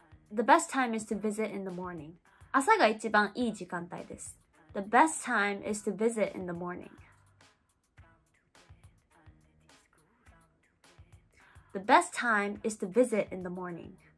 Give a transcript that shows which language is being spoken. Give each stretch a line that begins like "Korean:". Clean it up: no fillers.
English: The best time is to visit in the morning.
Japanese: 朝が一番いい時間帯です。
English: The best time is to visit in the morning. The best time is to visit in the morning.